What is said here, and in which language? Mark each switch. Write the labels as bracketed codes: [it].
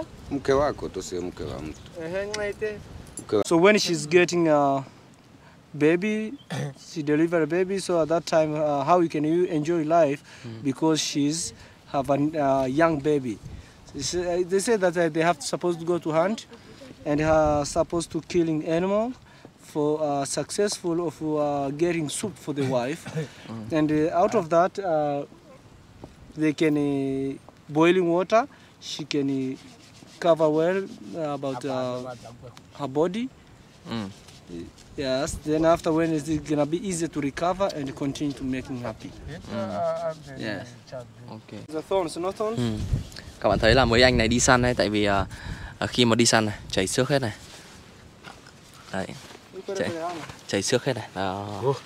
[sw] Mke wako tuseme mke wa mtu. [en] So when she's getting a baby, she deliver a baby, so at that time how can you enjoy life because she's have a young baby. They say that they have supposed to go to hunt and supposed to killing animal for successful of getting soup for the wife. And out of that they can boiling water, she can cover well about her body. Yes, then after when is it gonna be easier to recover and continue to make me happy. Yes. Okay. The thorns, no thorns. [vi] Các bạn thấy là mấy anh này đi săn ấy, tại vì khi mà đi săn này chảy xước hết này. Đấy. Chảy xước hết này. Đó.